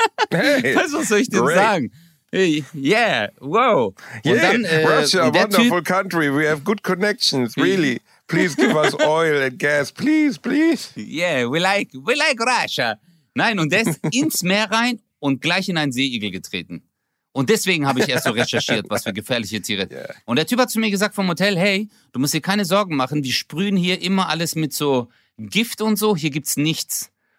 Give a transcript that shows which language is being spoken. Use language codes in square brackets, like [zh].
[de] Hey, was soll ich denn sagen? [en] Hey, yeah, wow. Yeah, dann, Russia, wonderful country. We have good connections, really. Please give us oil and gas. Please, please. Yeah, we like Russia. [de] Nein, und der ist ins Meer rein und gleich in einen Seeigel getreten. Und deswegen habe ich erst so recherchiert, was für gefährliche Tiere. Yeah. Und der Typ hat zu mir gesagt vom Hotel, hey, du musst dir keine Sorgen machen, die sprühen hier immer alles mit so Gift und so, hier gibt's nichts.